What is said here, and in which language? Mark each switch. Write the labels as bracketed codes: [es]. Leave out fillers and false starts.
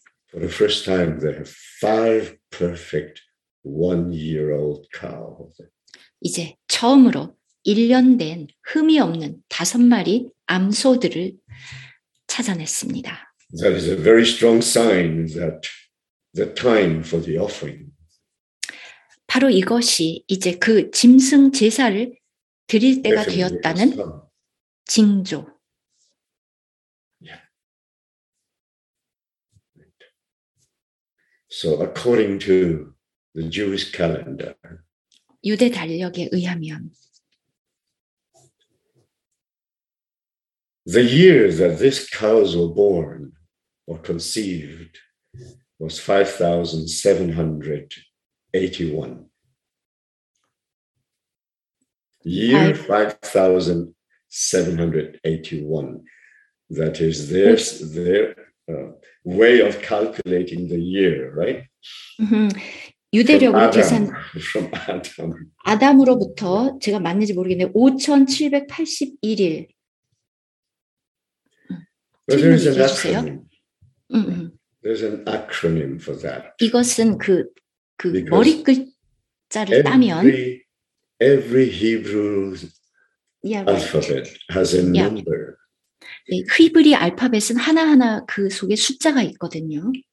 [en] For the first time, they have five perfect one-year-old cows. [ko] 이제 처음으로 1년 된 흠이 없는 다섯 마리 암소들을 찾아냈습니다. [en] That is a very strong sign that the time for the offering. [ko] 바로 이것이 이제 그 짐승 제사를 드릴 때가 되었다는 징조. [en] Yeah. So according to the Jewish calendar. [ko] 유대 달력에 의하면 [en] the year that these cows were born or conceived was 5781. Year 5781. That is their way of calculating the year, right? [ko] Mm-hmm. 유대력으로 [en] Adam, [ko] 계산 [en] Adam. [ko] 아담으로부터 제가 맞는지 모르겠는데 5781일 틀린 얘기해 주세요. [en] There's an acronym for that. [ko] 이것은 그 머리 글자를 따면 [en] every Hebrew alphabet has a number. [ko] 네, 히브리 알파벳은 하나하나 그 속에 숫자가 있거든요.